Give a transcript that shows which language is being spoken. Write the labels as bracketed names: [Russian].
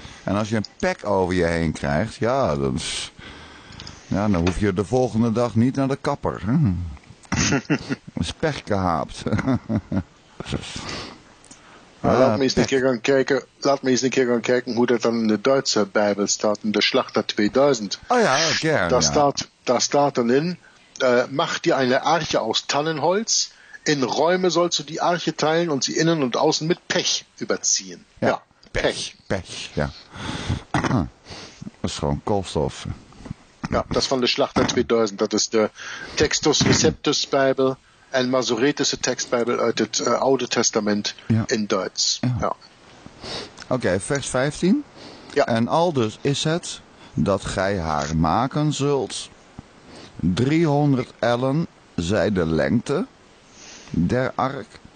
[Dutch] En als je een pek over je heen krijgt, ja, dan, is, ja, dan hoef je de volgende dag niet naar de kapper. Hè? Dat is pech gehaapt. Ja, laat me eens een keer gaan kijken hoe dat dan in de Duitse Bijbel staat, in de Schlachter 2000. [German] Oh ja, gern, [Dutch] daar, ja. [German] Staat dan in, mach dir eine Arche aus Tannenholz, in Räume sollst du die Arche teilen und sie innen und außen mit Pech überziehen. Ja, ja, Pech. Pech, ja. Das ist [Dutch] gewoon Koolstoff. [German] Ja, das von der Schlachter 2000, das ist der Textus Receptus Bijbel. [Dutch] Een Masoretische tekstbijbel uit het Oude Testament, ja. In Duits. Ja. Ja. Oké, vers 15. Ja. En aldus is het dat gij haar maken zult. 300 ellen zij de lengte der ark.